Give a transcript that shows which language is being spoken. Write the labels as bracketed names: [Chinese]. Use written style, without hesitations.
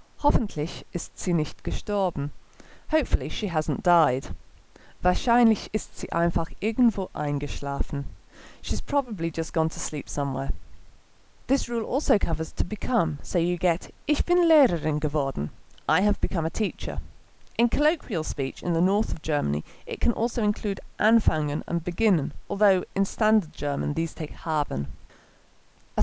[German] Hoffentlich ist sie nicht gestorben. [English] Hopefully she hasn't died. [German] Wahrscheinlich ist sie einfach irgendwo eingeschlafen. [English] She's probably just gone to sleep somewhere. This rule also covers to become, so you get [German] ich bin Lehrerin geworden. [English] I have become a teacher. In colloquial speech in the north of Germany, it can also include anfangen and beginnen, although in standard German these take haben. A